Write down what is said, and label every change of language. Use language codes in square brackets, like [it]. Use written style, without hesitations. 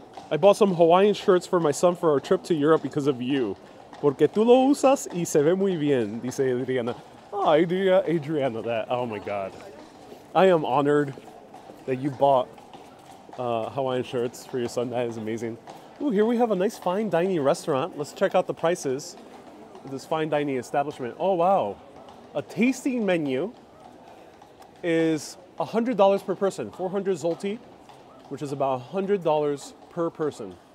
[en] I bought some Hawaiian shirts for my son for our trip to Europe because of you. [es] Porque tú lo usas y se ve muy bien, dice Adriana. [en] Oh, Adriana, that. Oh my God. I am honored that you bought Hawaiian shirts for your son. That is amazing. Ooh, here we have a nice fine dining restaurant. Let's check out the prices. This fine dining establishment. Oh, wow. A tasting menu is $100 per person, 400 zloty, which is about $100 per person.